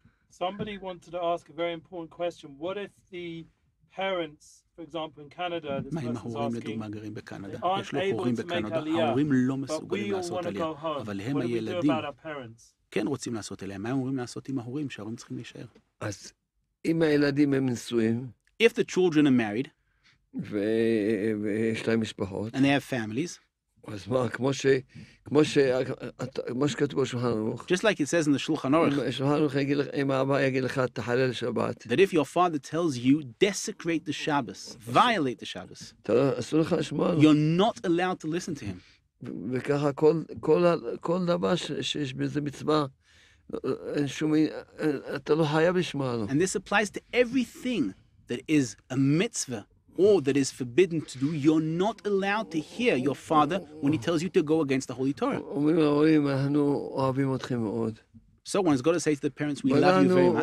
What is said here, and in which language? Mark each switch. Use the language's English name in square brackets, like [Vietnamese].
[English] Somebody wanted to ask a very important question. What if the parents, for example, in Canada, this person's asking, Canada, aren't able to make Aliyah, [Hebrew] לא [English] but we all want to go home, what do we do about our parents? [Hebrew] כן רוצים לעשות אליהם, מה הם אומרים לעשות עם ההורים, שההורים צריכים להישאר? אז אם הילדים הם נשואים, [English] if the children are married, [Hebrew] ויש להם משפחות, [English] and they have families, [Hebrew] אז מה, כמו שכתבו שולחן ערוך, [English] just like it says in the שולחן ערוך, [Hebrew] שולחן ערוך יגיד לך, אם האבא יגיד לך, תחלל שבת, [English] that if your father tells you, desecrate the Shabbos, violate the Shabbos, [Hebrew] אסור לך לשמוע, [English] you're not allowed to listen to him. [Hebrew] וככה כל דבר שיש בזה מצווה, אין שום, אתה לא חייב לשמוע לו. [English] And this applies to everything that is a mitzvah or that is forbidden to do. You're not allowed to hear your father when he tells you to go against the Holy Torah. [Hebrew] אומרים להורים, אנחנו אוהבים אתכם מאוד. [English] So one has got to say to the parents, we love you very much.